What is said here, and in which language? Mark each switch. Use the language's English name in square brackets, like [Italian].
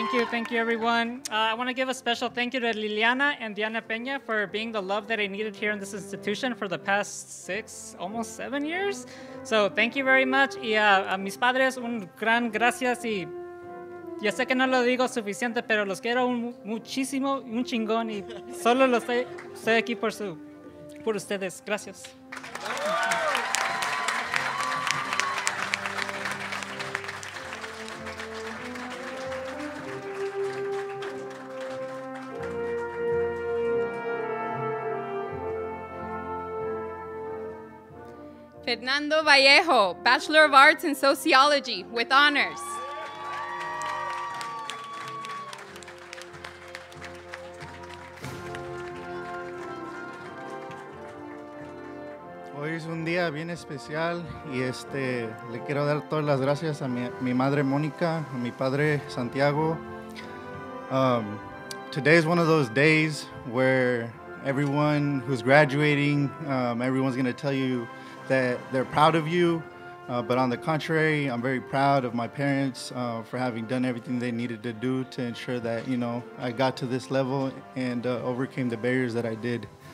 [English] Thank you, everyone. I want to give a special thank you to Liliana and Diana Peña for being the love that I needed here in this institution for the past six, almost 7 years. So thank you very much. [Spanish] Y a mis padres, un gran gracias. Y ya sé que no lo digo suficiente, pero los quiero muchísimo, un chingón. Y solo estoy aquí por ustedes. Gracias. [English] Fernando Vallejo, Bachelor of Arts in Sociology with honors. [Spanish] Hoy es un día bien especial y le quiero dar todas las gracias a mi madre Mónica, a mi padre Santiago. [English] Today is one of those days where everyone who's graduating, everyone's going to tell you that they're proud of you. But on the contrary, I'm very proud of my parents for having done everything they needed to do to ensure that, you know, I got to this level and overcame the barriers that I did.